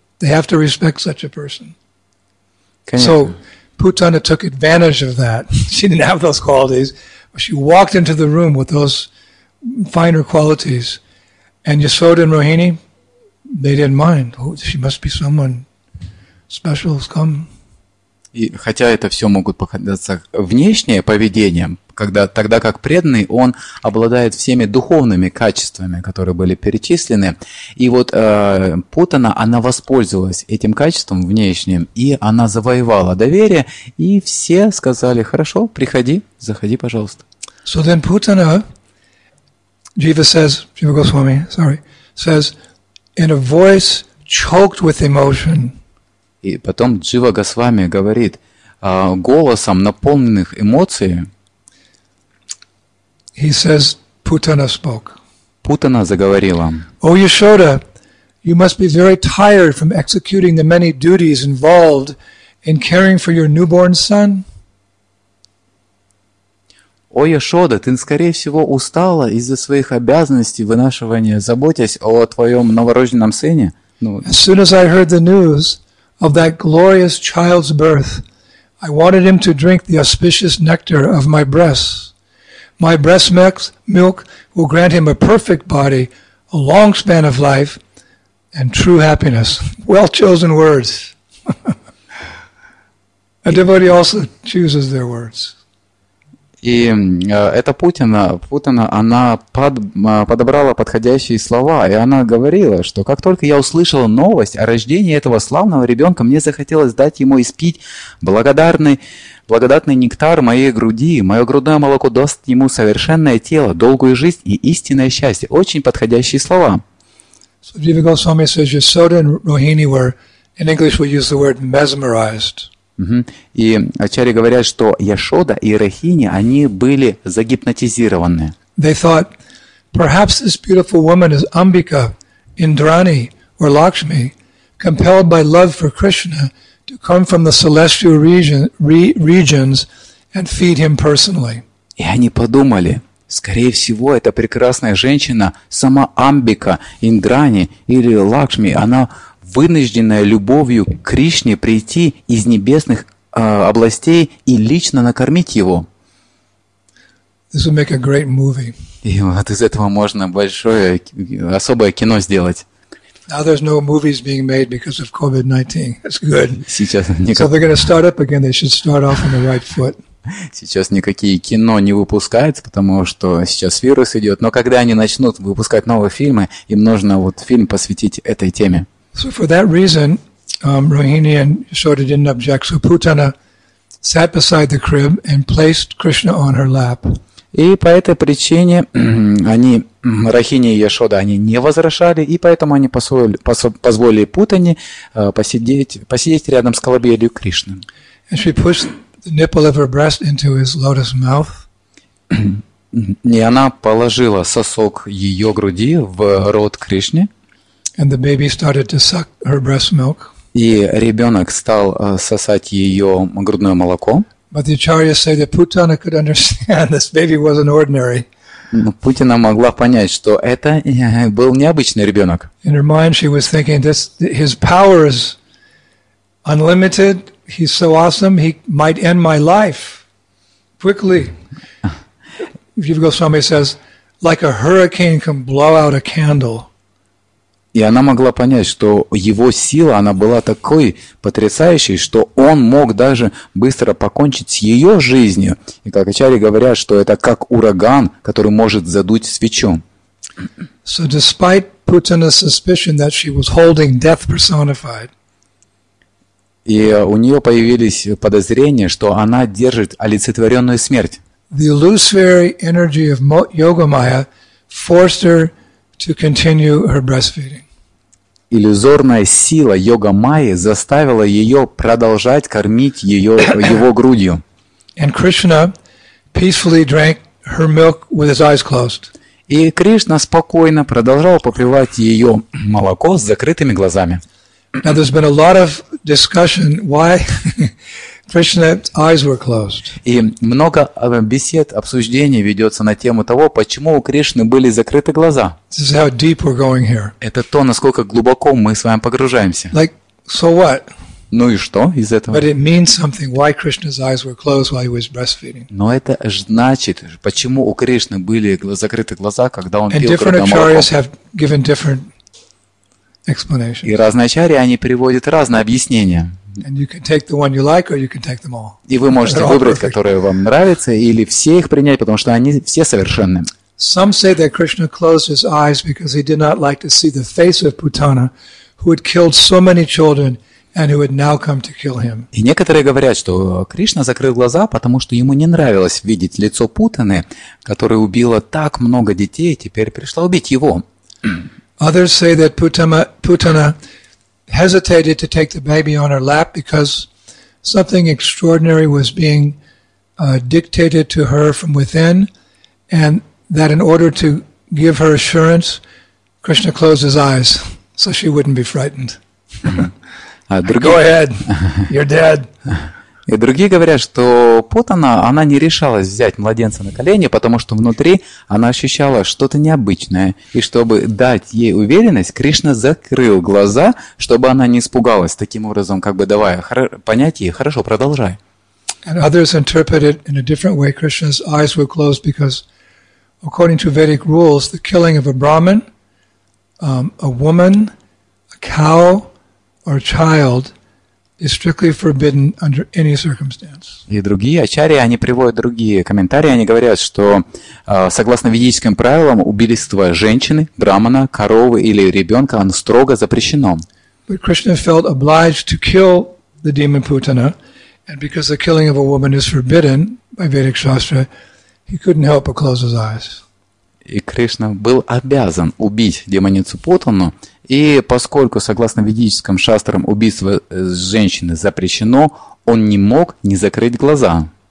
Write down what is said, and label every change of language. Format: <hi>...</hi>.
<en>They have to respect such a person. So, Putana took advantage of that. She didn't have those qualities. But she walked into the room with those finer qualities. And Yashoda and Rohini, they didn't mind. Oh, she must be someone special who's come.</en> <ru>И хотя это все могут показаться внешнее поведение, тогда как преданный, он обладает всеми духовными качествами, которые были перечислены. И вот Путана, она воспользовалась этим качеством внешним, и она завоевала доверие, и все сказали, хорошо, приходи, заходи, пожалуйста.</ru> <en>So then Putana, Jiva Goswami, says, in a voice choked with emotion,</en> <ru>и потом Джива Госвами говорит, голосом, наполненных эмоциями.</ru> <en>He says, Путана spoke.</en> <ru>Путана заговорила.</ru> <en>О, Яшода, you must be very tired from executing the many duties involved in caring for your newborn son.</en> <ru>О, Яшода, ты, скорее всего, устала из-за своих обязанностей вынашивания, заботясь о твоем новорожденном сыне.</ru> <en>As soon as I heard the news of that glorious child's birth, I wanted him to drink the auspicious nectar of my breasts. My breast milk will grant him a perfect body, a long span of life, and true happiness. Well chosen words. A devotee also chooses their words.</en> <ru>И это Путана, она подобрала подходящие слова, и она говорила, что как только я услышала новость о рождении этого славного ребенка, мне захотелось дать ему испить благодатный нектар моей груди, мое грудное молоко даст ему совершенное тело, долгую жизнь и истинное счастье. Очень подходящие слова.</ru> <en>So Jiva Goswami says, Yasoda and Rohini were, in English we use the word mesmerized.</en> <ru>И ачарьи говорят, что Яшода и Рахини, они были загипнотизированы.</ru> <en>They thought, perhaps this beautiful woman is Амбика, Индрани, or Лакшми, compelled by love for Krishna to come from the celestial regions and feed him personally.</en> <ru>И они подумали, скорее всего, эта прекрасная женщина, сама Амбика, Индрани или Лакшми, она вынужденная любовью к Кришне прийти из небесных областей и лично накормить его.</ru> <en>This would make a great movie.</en> <ru>И вот из этого можно большое, особое кино сделать.</ru> <en>Now there's no movies being made because of COVID-19. That's good.</en> <ru>Сейчас никак...</ru> <en>So they're going to start up again, they should start off on the right foot.</en> <ru>Сейчас никакие кино не выпускаются, потому что сейчас вирус идет. Но когда они начнут выпускать новые фильмы, им нужно вот фильм посвятить этой теме.</ru> <en>So for that reason, Rohini and Yashoda didn't object. So Putana sat beside the crib and placed Krishna on her lap.</en> <ru>И по этой причине они, Рахини и Яшода, они не возражали, и поэтому они позволили Путане посидеть рядом с колыбелью Кришны.</ru> <en>And she pushed the nipple of her breast into his lotus mouth.</en> <ru>И она положила сосок ее груди в рот Кришне.</ru> <en>And the baby started to suck her breast milk.</en> <ru>И ребенок стал сосать ее грудное молоко.</ru> <en>But the acharyas say that Putana could understand this baby wasn't ordinary.</en> <ru>Путана могла понять, что это был необычный ребенок.</ru> <en>In her mind, she was thinking, "This his power is unlimited. He's so awesome. He might end my life quickly." Jiva Goswami says, "Like a hurricane can blow out a candle."</en> <ru>И она могла понять, что его сила, она была такой потрясающей, что он мог даже быстро покончить с ее жизнью. И как ачарьи говорят, что это как ураган, который может задуть свечу.</ru> <en>So despite Putana's suspicion that she was holding death personified,</en> <ru>и у нее появились подозрения, что она держит олицетворенную смерть.</ru> <en>The illusory energy of Yogamaya forced her to continue her breastfeeding.</en> <ru>Иллюзорная сила йога майи заставила ее продолжать кормить ее, его грудью.</ru> <en>And Krishna peacefully drank her milk with his eyes closed.</en> <ru>И Кришна спокойно продолжал попивать ее молоко с закрытыми глазами.</ru> <en>Now there's been a lot of discussion why Krishna's eyes were closed.</en> <ru>И много бесед, обсуждений ведется на тему того, почему у Кришны были закрыты глаза.</ru> <en>This is how deep we're going here.</en> <ru>Это то, насколько глубоко мы с вами погружаемся.</ru> <en>Like, so what?</en> <ru>Ну и что из этого?</ru> <en>But it means something. Why Krishna's eyes were closed while he was breastfeeding?</en> <ru>Но это значит, почему у Кришны были закрыты глаза, когда он пил грудное молоко.</ru> <en>And different acharyas have given different explanations.</en> <ru>И разные ачарьи, они приводят разные объяснения.</ru> <en>And you can take the one you like, or you can take them all.</en> <ru>И вы можете выбрать, которые вам нравятся, или все их принять, потому что они все совершенны.</ru> <en>Some say that Krishna closed his eyes because he did not like to see the face of Putana, who had killed so many children and who had now come to kill him.</en> <ru>И некоторые говорят, что Кришна закрыл глаза, потому что ему не нравилось видеть лицо Путаны, которая убила так много детей, и теперь пришла убить его.</ru> <en>Others say that Putana hesitated to take the baby on her lap because something extraordinary was being dictated to her from within, and that in order to give her assurance, Krishna closed his eyes so she wouldn't be frightened. Go ahead, you're dead.</en> <ru>И другие говорят, что Потана, она не решалась взять младенца на колени, потому что внутри она ощущала что-то необычное. И чтобы дать ей уверенность, Кришна закрыл глаза, чтобы она не испугалась, таким образом, как бы давая понять ей, хорошо, продолжай.</ru> <en>And others interpret it in a different way. Krishna's eyes were closed because, according to Vedic rules, the killing of a Brahmin, a woman, a cow, or a child is strictly forbidden under any circumstance.</en> <ru>И другие ачарьи, они приводят другие комментарии, они говорят, что согласно ведическим правилам, убийство женщины, брахмана, коровы или ребенка, оно строго запрещено.</ru> <en>But Krishna felt obliged to kill the demon Putana, and because the killing of a woman is forbidden by Vedic Shastra, he couldn't help but close his eyes.</en> <ru>И Кришна был обязан убить демоницу Путану, и поскольку, согласно ведическим шастрам, убийство женщины запрещено, он не мог не закрыть глаза.</ru>